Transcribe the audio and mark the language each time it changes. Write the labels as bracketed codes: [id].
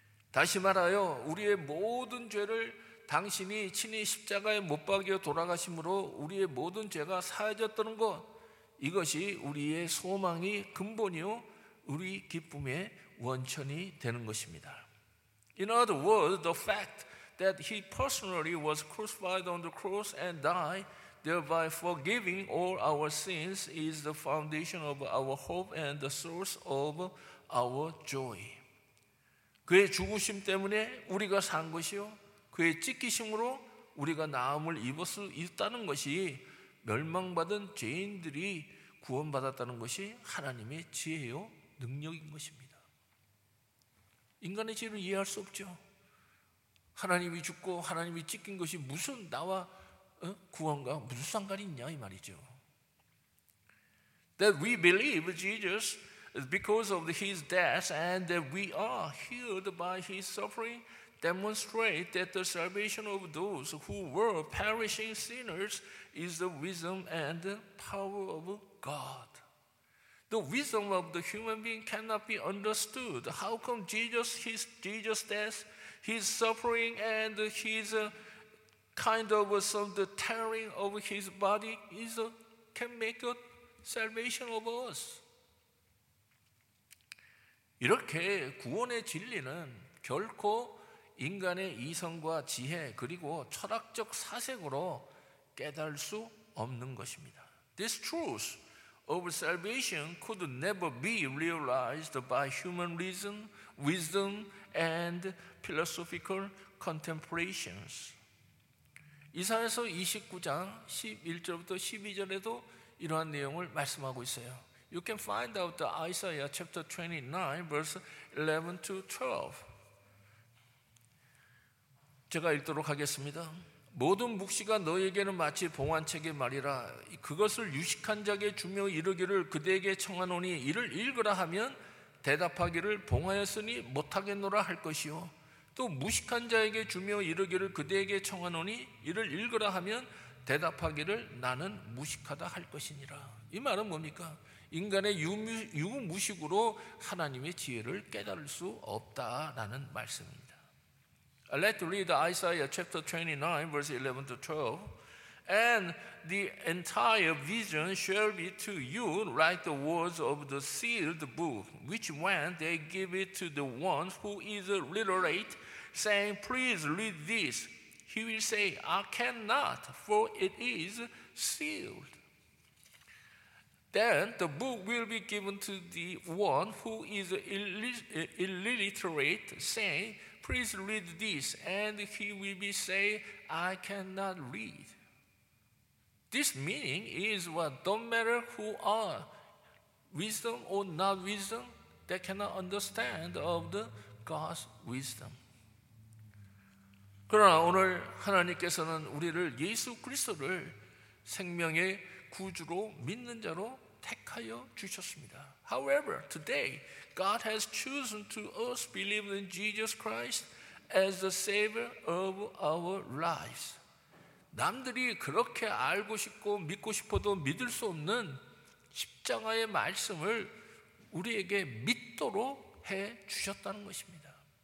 [ko] 다시 말하여 우리의 모든 죄를 당신이 친히 십자가에 못 박여 돌아가심으로 우리의 모든 죄가 사해졌다는 것 이것이 우리의 소망이 근본이요 우리 기쁨의 원천이 되는 것입니다. [en] In other words, the fact that he personally was crucified on the cross and died Thereby forgiving all our sins is the foundation of our hope and the source of our joy. [ko] 그의 죽으심 때문에 우리가 산 것이요 그의 찢기심으로 우리가 나음을 입을 수 있다는 것이 멸망받은 죄인들이 구원받았다는 것이 하나님의 지혜요 능력인 것입니다. 인간의 지혜를 이해할 수 없죠. 하나님이 죽고 하나님이 찢긴 것이 무슨 나와 구원과 무슨 상관이 있냐 이 말이죠. [en] That we believe Jesus because of his death and that we are healed by his suffering demonstrate that the salvation of those who were perishing sinners is the wisdom and the power of God. The wisdom of the human being cannot be understood. How come Jesus' death, his suffering and his kind of some the tearing of his body is can make a salvation of us? [ko] 이렇게 구원의 진리는 결코 인간의 이성과 지혜 그리고 철학적 사색으로 깨달을 수 없는 것입니다. [en] This truth of salvation could never be realized by human reason, wisdom, and philosophical contemplations. [ko] 이사야서 29장 11절부터 12절에도 이러한 내용을 말씀하고 있어요. [en] You can find out the Isaiah chapter 29 verse 11 to 12. [ko] 제가 읽도록 하겠습니다. 모든 묵시가 너에게는 마치 봉환책의 말이라 그것을 유식한 자에게 주며 이르기를 그대에게 청하노니 이를 읽으라 하면 대답하기를 봉하였으니 못하겠노라 할 것이요 또 무식한 자에게 주며 이르기를 그대에게 청하노니 이를 읽으라 하면 대답하기를 나는 무식하다 할 것이니라. 이 말은 뭡니까? 인간의 유무식으로 하나님의 지혜를 깨달을 수 없다라는 말씀입니다. [en] Let's read Isaiah chapter 29, verse 11 to 12. And the entire vision shall be to you like the words of the sealed book, which when they give it to the one who is literate, saying, please read this, he will say, I cannot, for it is sealed. Then the book will be given to the one who is illiterate, saying, Please read this, and he will be say, I cannot read. This meaning is what don't matter who are, wisdom or not wisdom, they cannot understand of the God's wisdom. [ko] 그러나 오늘 하나님께서는 우리를 예수 그리스도를 생명의 구주로 믿는 자로 택하여 주셨습니다. [en] However, today, God has chosen to us believe in Jesus Christ as the Savior of our lives. [ko] 남들이 그렇게 알고 싶고 믿고 싶어도 믿을 수 없는 십자가의 말씀을 우리에게 믿도록 해 주셨다는 것입니다.